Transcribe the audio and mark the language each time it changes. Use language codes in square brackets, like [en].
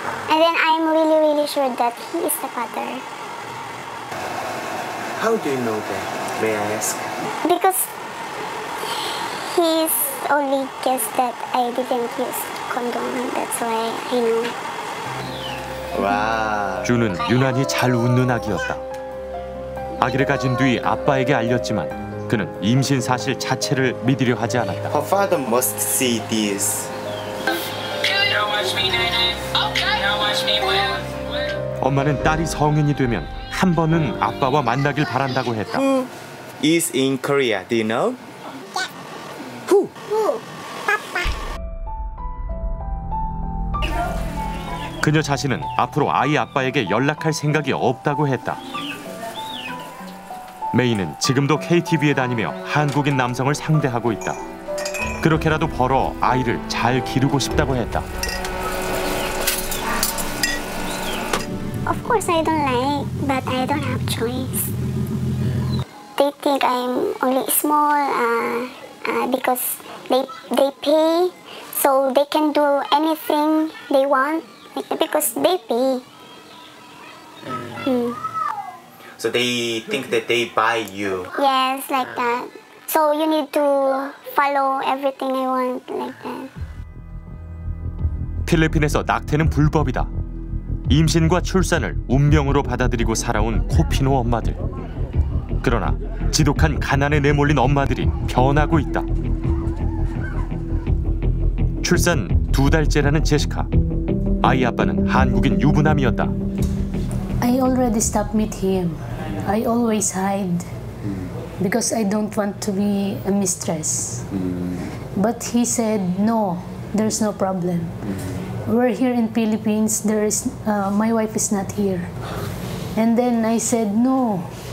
[en] And then I'm really, really sure that he is the father. How do you know that, may I ask? Because he's only guest that I didn't use condom. That's why I know. 와. [ko] 준은 유난히 잘 웃는 아기였다. 아기를 가진 뒤 아빠에게 알렸지만 그는 임신 사실 자체를 믿으려 하지 않았다. [en] Her father must see this. Can you watch me, Nana? Okay. Can you watch me well? [ko] 엄마는 딸이 성인이 되면 한 번은 아빠와 만나길 바란다고 했다. [en] Who is in Korea? Do you know? Yeah. Who? Who? 아빠. [ko] 그녀 자신은 앞으로 아이 아빠에게 연락할 생각이 없다고 했다. 메이는 지금도 KTV에 다니며 한국인 남성을 상대하고 있다. 그렇게라도 벌어 아이를 잘 기르고 싶다고 했다. [en] Of course I don't like, but I don't have choice. They think I'm only small because they pay, so they can do anything they want. Because they pay. So they think that they buy you. Yes, like that. So you need to follow everything I want, like that. [ko] 필리핀에서 낙태는 불법이다. 임신과 출산을 운명으로 받아들이고 살아온 코피노 엄마들. 그러나 지독한 가난에 내몰린 엄마들이 변하고 있다. 출산 두 달째라는 제시카. 아이 아빠는 한국인 유부남이었다. [en] I already stopped meet him. I always hide because I don't want to be a mistress. But he said no, there's no problem. We're here in Philippines. There is my wife is not here. And then I said no.